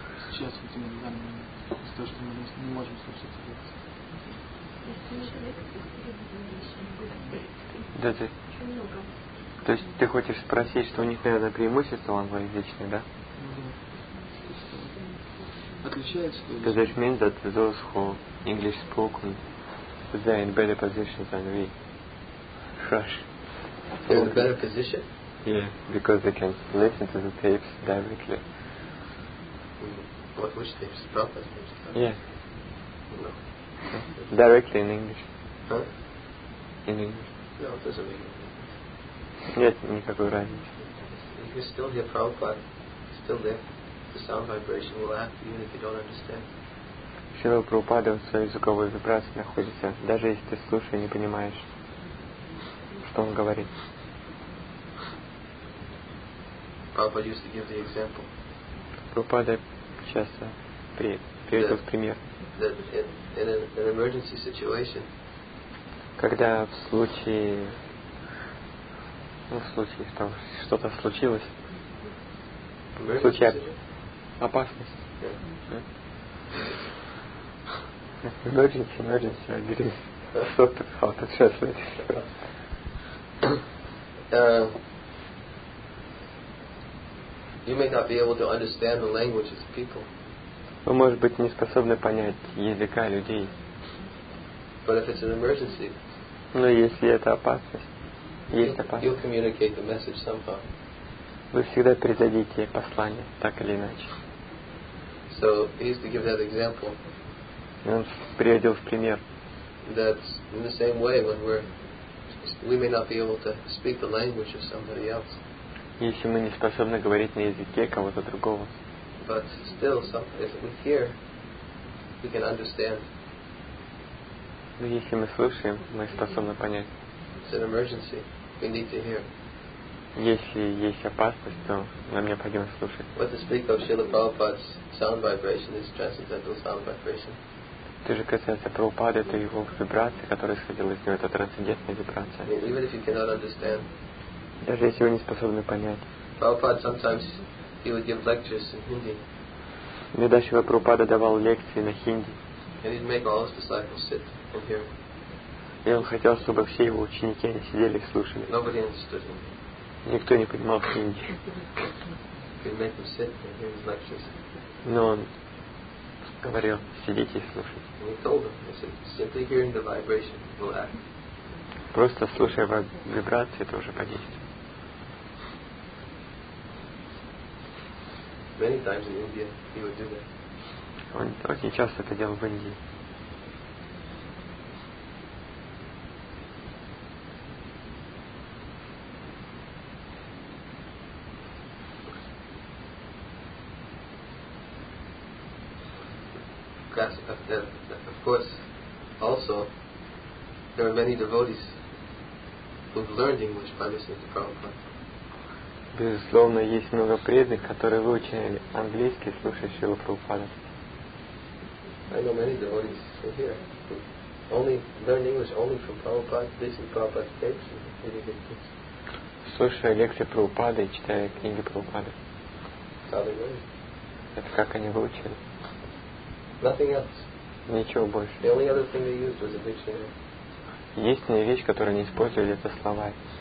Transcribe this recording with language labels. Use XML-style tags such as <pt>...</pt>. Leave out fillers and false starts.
<ru>Сейчас вот именно за нами, из-за того, что мы не можем слушать лекции. Да, ты. То есть ты хочешь спросить, что у них, наверное, преимущество англоязычное, да? Отличается.</ru> <en>Does that mean that those who English spoken, they are in better position than we? Fresh. They're in a better position. Yeah, because they can listen to the tapes directly. What, which tapes? Prabhupada's tapes? Yeah. No. Directly in English. Huh? In English. No, it doesn't make any difference.</en> <ru>Нет никакой разницы.</ru> <en>You can still hear Prabhupada. It's still there. The sound vibration will act even if you don't understand.</en> <ru>Шрила Прабхупада в своей языковой вибрации находится, даже если ты слушаешь и не понимаешь, что он говорит.</ru> <en>Prabhupada used to give the example.</en> <ru>Прабхупада часто приводит пример.</ru> <en>In an emergency situation,</en> <ru>когда в случае там что-то случилось, в случае опасности.</ru> <en>Emergency, I didn't sort of how to translate. You may not be able to understand the language of the people.</en> <ru>Вы, может быть, не способны понять языка людей.</ru> <en>But if it's an emergency,</en> <ru>но если это опасность, есть опасность.</ru> <en>You'll communicate the message somehow.</en> <ru>Вы всегда передадите послание, так или иначе.</ru> <en>So he used to give that example.</en> <ru>Он приводил в пример.</ru> <en>That in the same way when we may not be able to speak the language of somebody else.</en> <ru>Если мы не способны говорить на языке кого-то другого.</ru> <en>But still, if we hear, we can understand.</en> <ru>Но если мы слышим, мы способны понять.</ru> <en>It's an emergency. We need to hear.</en> <ru>Если есть опасность, то нам необходимо слушать.</ru> <en>What to speak of Srila Prabhupada's sound vibration is transcendental sound vibration.</en> <ru>Это же касается Прабхупады, это его вибрация, которая исходила из него, это трансцендентная вибрация.</ru> <en>Even if you cannot understand.</en> <ru>Даже если вы не способны понять.</ru> <en>Prabhupada sometimes he would give lectures in Hindi.</en> <ru>Иногда Шрила Прабхупада давал лекции на хинди.</ru> <en>And he'd make all his disciples sit and hear.</en> <ru>И он хотел, чтобы все его ученики они сидели и слушали.</ru> <en>Nobody understood him.</en> <ru>Никто не понимал хинди.</ru> <en>He'd make them sit and hear his lectures.</en> <ru>Но он говорил, сидите и слушайте.</ru> <en>And he told them, he said, simply hearing the vibration will act.</en> <ru>Просто слушая вибрации, это уже подействует.</ru> <en>Many times in India he would do that.</en> <ru>Он очень часто это делал в Индии.</ru> <en>Of course, also there are many devotees who've learned English by listening to Prabhupada.</en> <ru>Безусловно, есть много преданных, которые выучили английский, слушая Шрилу Прабхупаду.</ru> <en>I know many devotees here. Only learn English only from Prabhupada, listening to Prabhupada's tapes and reading his books.</en> <ru>Слушая лекции Прабхупады и читая книги Прабхупады. Это как они выучили?</ru> <en>Nothing else.</en> <ru>Ничего больше.</ru> <en>The only other thing they used was a dictionary.</en> <ru>Единственная вещь, которую они использовали, это слова.</ru>